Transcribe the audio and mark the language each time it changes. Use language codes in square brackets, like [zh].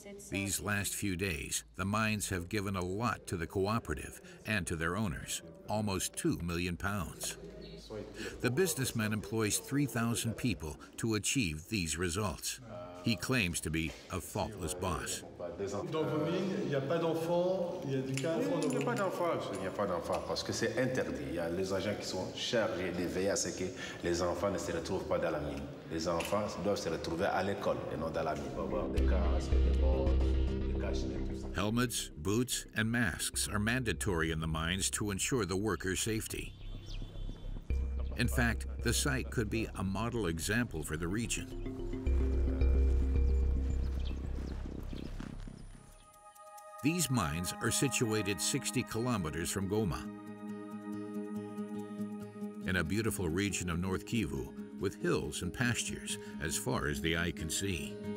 [en] These last few days, the mines have given a lot to the cooperative and to their owners, almost 2 million pounds. The businessman employs 3,000 people to achieve these results. He claims to be a faultless boss. [fr] Dans vos mines, il n'y a pas d'enfants, il y a du cas d'enfants. Il n'y a pas d'enfants, il n'y a pas d'enfants, parce que c'est interdit. Il y a les agents qui sont chargés de veiller à ce que les enfants ne se retrouvent pas dans la mine. Les enfants doivent se retrouver à l'école et non dans la mine. Il va y avoir des casques, des bottes, des cachets. [en] Helmets, boots, and masks are mandatory in the mines to ensure the workers' safety. In fact, the site could be a model example for the region. These mines are situated 60 kilometers from Goma, in a beautiful region of North Kivu, with hills and pastures as far as the eye can see.